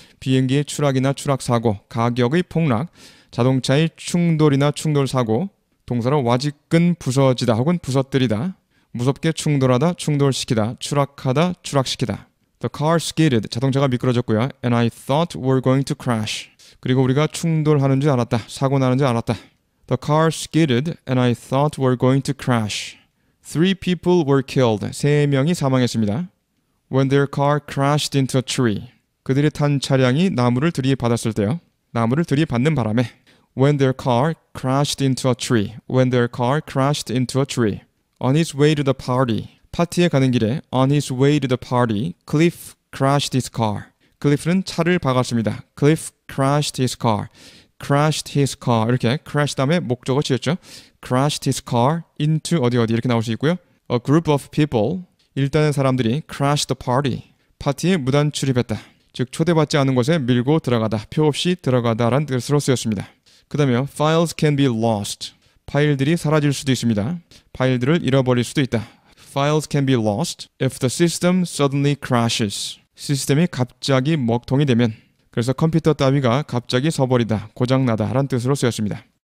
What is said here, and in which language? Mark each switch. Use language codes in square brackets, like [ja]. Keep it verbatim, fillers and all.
[ko] 비행기의 추락이나 추락 사고, 가격의 폭락, 자동차의 충돌이나 충돌 사고, 동사로 와지끈 부서지다 혹은 부서뜨리다, 무섭게 충돌하다, 충돌시키다, 추락하다, 추락시키다. [en] The car skidded. [ko] 자동차가 미끄러졌고요. [en] And I thought we're going to crash. [ko] 그리고 우리가 충돌하는 줄 알았다. 사고 나는 줄 알았다. [en] The car skidded and I thought we're going to crash. Three people were killed. [ko] 세 명이 사망했습니다. [en] When their car crashed into a tree. [ko] 그들이 탄 차량이 나무를 들이받았을 때요. 나무를 들이받는 바람에. [en] When their car crashed into a tree. When their car crashed into a tree. On his way to the party. [ko] 파티에 가는 길에 [en] on his way to the party, Cliff crashed his car. [ko] Cliff는 차를 박았습니다. [en] Cliff crashed his car. crashed his car. [ko] 이렇게 crash 다음에 목적어 지었죠. [en] crashed his car into [ko] 어디 어디 이렇게 나올 수 있고요. [en] A group of people. [ko] 일단의 사람들이 [en] crashed the party. [ko] 파티에 무단 출입했다. 즉 초대받지 않은 곳에 밀고 들어가다. 표 없이 들어가다라는 뜻으로 쓰였습니다. 그 다음에 [en] files can be lost. [ko] 파일들이 사라질 수도 있습니다. 파일들을 잃어버릴 수도 있다. [en] Files can be lost if the system suddenly crashes. [ko] 시스템이 갑자기 먹통이 되면, 그래서 컴퓨터 따위가 갑자기 서버리다, 고장나다 라는 뜻으로 쓰였습니다.